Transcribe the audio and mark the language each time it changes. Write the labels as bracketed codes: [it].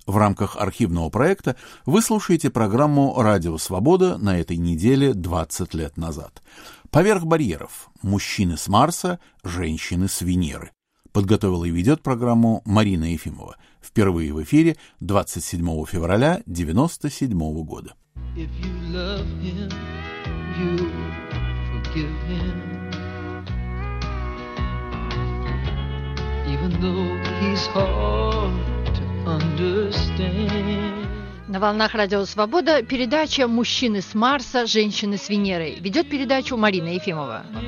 [ru] В рамках архивного проекта вы слушаете программу «Радио Свобода» на этой неделе 20 лет назад. «Поверх барьеров. Мужчины с Марса, женщины с Венеры». Подготовила и ведет программу Марина Ефимова. Впервые в эфире 27 февраля 1997 года. [en] If you love him, you forgive him. Even though he's hard to understand. [ru] На волнах Радио Свобода передача «Мужчины с Марса, женщины с Венерой». Ведет передачу Марина Ефимова.